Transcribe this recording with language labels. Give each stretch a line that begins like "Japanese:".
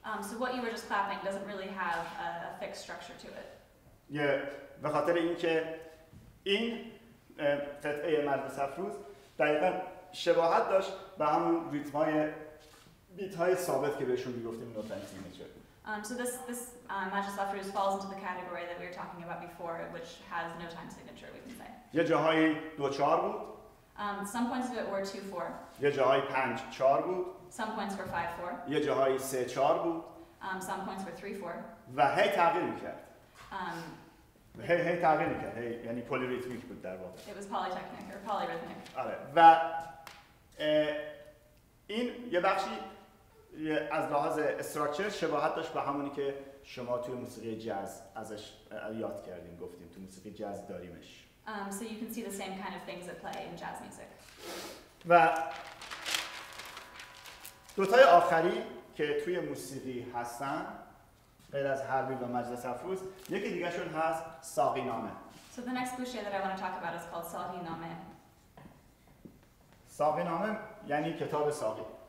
English: So what you were just clapping doesn't really have a fixed structure to it.
Persian: Yeah, به خاطر اینکه این قطعه مجلس افروز دقیقاً شباهت داشت به همون ریتم‌های بیت‌های ثابت که بهشون می‌گفتیم نوت سیگنچر.
English: So this مجلس افروز falls into the category that we were talking about before, which has no time signature, we can say.
Persian: یه جاهایی 2/4 بود.
English: Some points of it were 2/4.
Persian: یه جاهایی 5/4 بود.
English: Some points were 5/4.
Persian: یه جاهایی 3/4 بود.
English: Some points were 3/4.
Persian: و هی تغییر میکرد. هی تغییر میکرد. هی یعنی پولیریتمیک بود در واقع.
English: It was polytechnic or polyrhythmic.
Persian: آره. و این یه بخشی از لحاظ استراکچر شباهت داشت به همونی که شما توی موسیقی جاز ازش یاد کردیم گفتیم تو موسیقی جاز داریمش.
English: So you can see the same kind of things at play in jazz music.
Persian: و دوتای آخری که توی موسیقی هستن غیر از حربی و مجلس افروز یکی دیگه شون هست ساقی نامه.
English: So the next گوشه that I want to talk about is called ساقی نامه.
Persian: ساقی نامه یعنی کتاب ساقی.